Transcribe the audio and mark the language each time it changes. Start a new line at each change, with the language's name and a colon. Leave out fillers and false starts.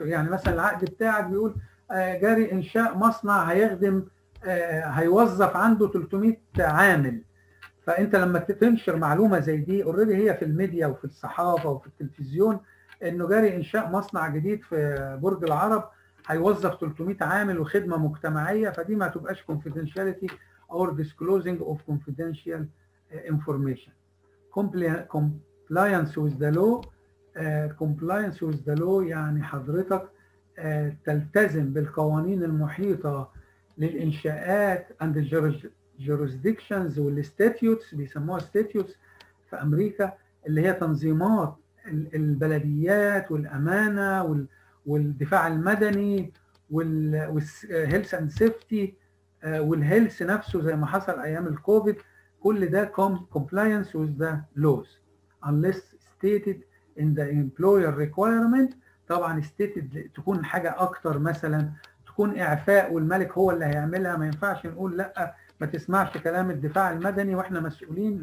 Arabic: يعني مثلا العقد بتاعك بيقول جاري انشاء مصنع هيخدم هيوظف عنده 300 عامل، فانت لما تنشر معلومه زي دي اوريدي هي في الميديا وفي الصحافه وفي التلفزيون انه جاري انشاء مصنع جديد في برج العرب هيوظف 300 عامل وخدمه مجتمعيه، فدي ما تبقاش
English: confidentiality or disclosing of confidential information. Compliance with the law. Compliance with the law
Arabic: يعني حضرتك تلتزم بالقوانين المحيطة للإنشاءات
English: and the jurisdictions
Arabic: والستاتيوتس، بيسموها statutes في أمريكا، اللي هي تنظيمات البلديات والأمانة والدفاع المدني والهيلث اند سيفتي والهيلث نفسه زي ما حصل أيام الكوفيد. كل ده
English: compliance with the laws unless stated in the employer requirement.
Arabic: طبعا stated تكون حاجة أكتر، مثلا تكون إعفاء والملك هو اللي هيعملها، ما ينفعش نقول لأ ما تسمعش كلام الدفاع المدني وإحنا مسؤولين.